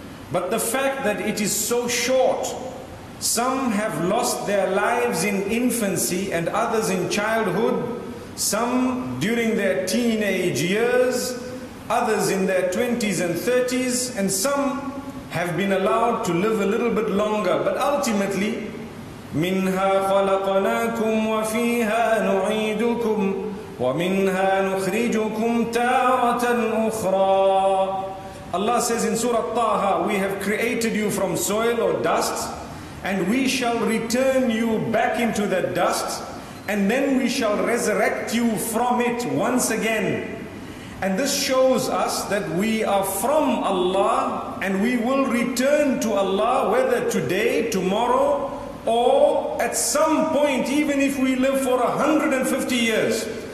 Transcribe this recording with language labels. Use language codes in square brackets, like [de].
[en] But the fact that it is so short, some have lost their lives in infancy and others in childhood, some during their teenage years, others in their 20s and 30s, and some have been allowed to live a little bit longer. But ultimately, [ar] مِنْهَا خَلَقْنَاكُمْ وَفِيهَا نُعِيدُكُمْ وَمِنْهَا نُخْرِجُكُمْ تَارَةً أُخْرَى. [en] Allah says in Surah Taha, we have created you from soil or dust, and we shall return you back into that dust, and then we shall resurrect you from it once again. And this shows us that we are from Allah, and we will return to Allah, whether today, tomorrow, or at some point, even if we live for 150 years.